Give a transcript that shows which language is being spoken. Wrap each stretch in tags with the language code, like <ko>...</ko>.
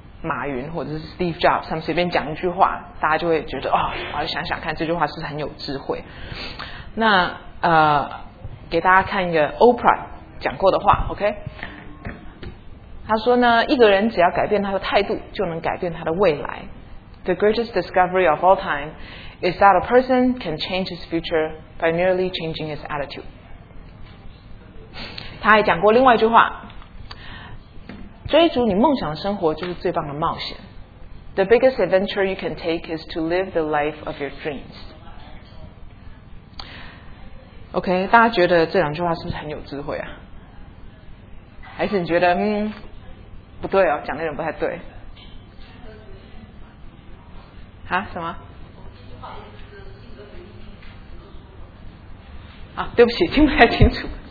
<zh>马云或者是 Steve Jobs, 他们随便讲一句话，大家就会觉得哦，我要想想看这句话是不是很有智慧。那给大家看一个 Oprah 讲过的话 ，OK? 他说呢，一个人只要改变他的态度，就能改变他的未来。</zh> <en>The greatest discovery of all time is that a person can change his future by merely changing his attitude.</en> <zh>他还讲过另外一句话。追逐你梦想的生活就是最棒的冒险。</zh> <en>The biggest adventure you can take is to live the life of your dreams.</en> <zh>OK, 大家觉得这两句话是不是很有智慧啊？还是你觉得不对哦，讲的人不太对？啊？什么？啊，对不起，听不太清楚。</zh>